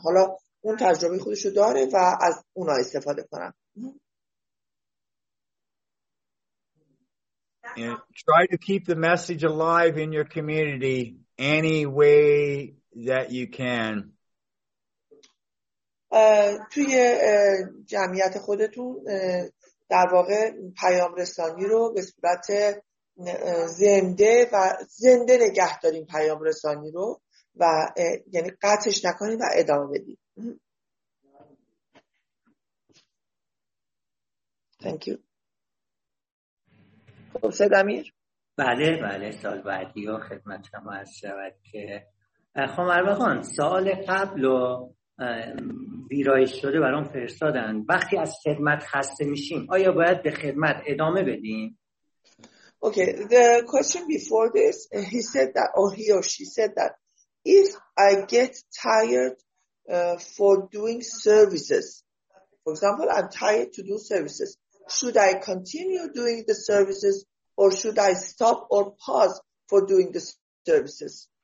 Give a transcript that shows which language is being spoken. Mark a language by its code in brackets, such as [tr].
[fa] حالا اون تجربه خودشو داره و از اونا استفاده کنم. [en] And try to keep the message alive in your community any way that you can. [fa] توی جمعیت خودتون در واقع پیام رسانی رو به صورت زنده و زنده نگه داریم پیام رسانی رو و یعنی قطعش نکنیم و ادامه بدیم. [en] Thank you. [fa] خب سید امیر؟ بله بله، سال بعدی و خدمت شما عرض شود که خب مروان سال قبل و ویرایش شده برام فرستادن، وقتی از خدمت خسته میشیم آیا باید به خدمت ادامه بدیم؟ [en] Okay, the question before this, he said that, or he or she said that, if I get tired for doing services, for example, I'm tired to do services, should I continue doing the services or should I stop or pause for doing the services?